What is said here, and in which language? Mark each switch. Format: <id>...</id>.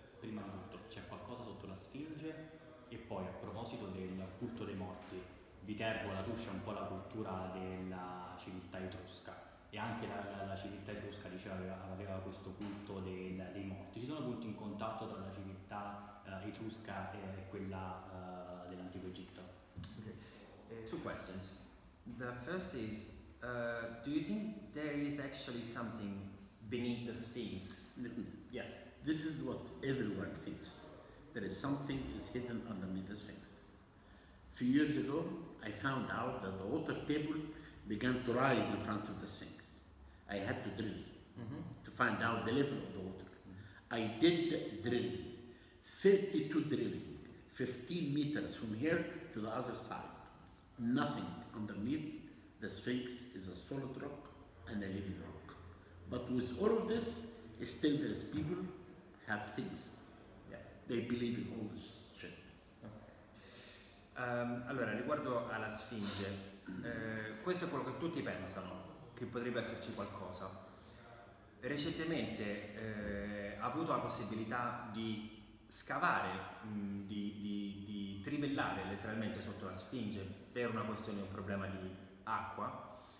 <it>Prima di tutto, c'è qualcosa sotto la Sfinge, e poi a proposito del culto dei morti, Viterbo la Tuscia è un po' la cultura della civiltà etrusca, e anche la civiltà etrusca aveva questo culto dei morti. Ci sono punti in contatto tra la civiltà etrusca e quella dell'antico Egitto?</it> <en>Okay. Two questions. The first is, do you think there is actually something beneath the Sphinx? Yes. This is what everyone thinks. There is something is hidden underneath the Sphinx. Few years ago, I found out that the water table began to rise in front of the Sphinx. I had to drill to find out the level of the water. Mm-hmm. I did drill, 32 drilling, 15 meters from here to the other side. Nothing underneath the Sphinx is a solid rock and a living rock. But with all of this, still there is people have things. Yes. They believe in all this shit.</en> <it>Allora, riguardo alla Sfinge, questo è quello che tutti pensano, che potrebbe esserci qualcosa. Recentemente ha avuto la possibilità di scavare, di trivellare letteralmente sotto la Sfinge per una questione, un problema di acqua.</it>